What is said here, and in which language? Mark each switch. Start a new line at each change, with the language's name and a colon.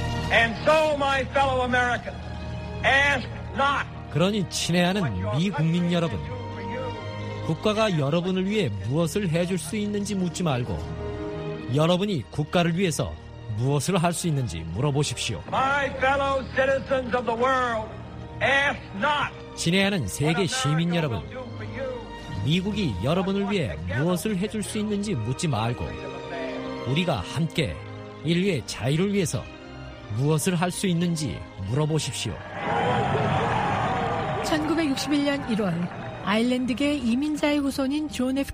English: And so my fellow Americans, ask not.
Korean: 그러니 친애하는 미 국민 여러분, 국가가 여러분을 위해 무엇을 해줄 수 있는지 묻지 말고 여러분이 국가를 위해서 무엇을 할 수 있는지 물어보십시오.
English: My fellow citizens of the world, ask not.
Korean: 친애하는 세계 시민 여러분, 미국이 여러분을 위해 무엇을 해줄 수 있는지 묻지 말고 우리가 함께 인류의 자유를 위해서 무엇을 할 수 있는지 물어보십시오. 1961년 1월 아일랜드계 이민자의 후손인 존 F.